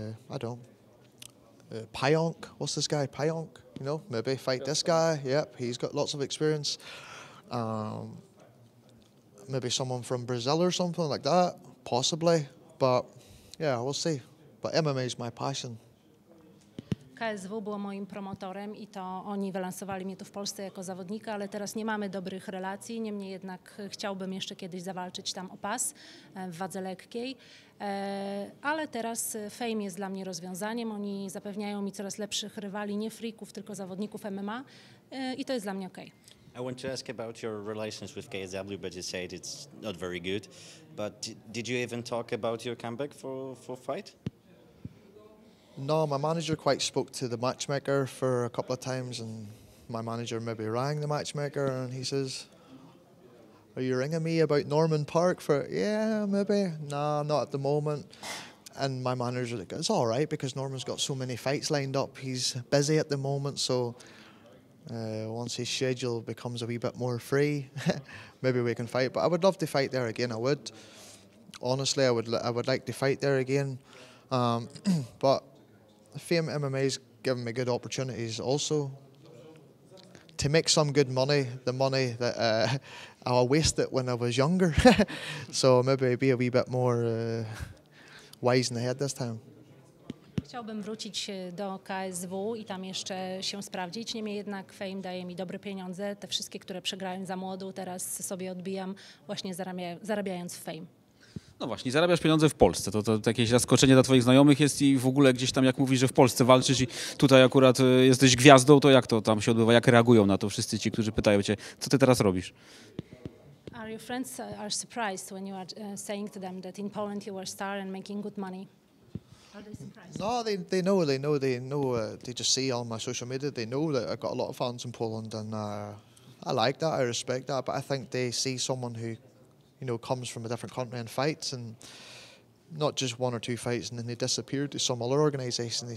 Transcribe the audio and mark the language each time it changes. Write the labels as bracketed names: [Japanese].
[English] I don't. Pionk, what's this guy? Pionk, you know, maybe fight this guy. Yep, he's got lots of experience. Maybe someone from Brazil or something like that, possibly. But yeah, we'll see. But MMA is my passion. [Polish] KSW było moim promotorem i to oni wylansowali mnie tu w Polsce jako zawodnika, ale teraz nie mamy dobrych relacji. Niemniej jednak chciałbym jeszcze kiedyś zawalczyć tam o pas w wadze lekkiej. Ale teraz Fame jest dla mnie rozwiązaniem. Oni zapewniają mi coraz lepszych rywali, nie freaków, tylko zawodników MMA i to jest dla mnie okej. [English] I want to ask about your relations with KSW, but you said it's not very good. But did you even talk about your comeback for fight? No, my manager quite spoke to the matchmaker for a couple of times, and my manager maybe rang the matchmaker, and he says, "Are you ringing me about Norman Parke?" For yeah, maybe. Nah, not at the moment. And my manager like, "It's all right because Norman's got so many fights lined up. He's busy at the moment, so once his schedule becomes a wee bit more free, maybe we can fight." But I would love to fight there again. I would. Honestly, I would like to fight there again, but. Fame MMA has given me good opportunities also to make some good money, the money that I wasted when I was younger. So maybe be a wee bit more wise in the head this time. [Polish] Chciałbym wrócić do KSW i tam jeszcze się sprawdzić. Niemniej jednak Fame daje mi dobre pieniądze. Te wszystkie, które przegrałem za młodu, teraz sobie odbijam właśnie zarabiając w Fame. No właśnie, zarabiasz pieniądze w Polsce, to jakieś zaskoczenie dla twoich znajomych jest i w ogóle gdzieś tam, jak mówisz, że w Polsce walczysz i tutaj akurat jesteś gwiazdą, to jak to tam się odbywa, jak reagują na to wszyscy ci, którzy pytają cię, co ty teraz robisz? [English] Are your friends are surprised when you are saying to them that in Poland you were star and making good money? No, they know, they just see on my social media, they know that I've got a lot of fans in Poland and I like that, I respect that, but I think they see someone who, you know, comes from a different country and fights, and not just one or two fights, and then they disappear to some other organization.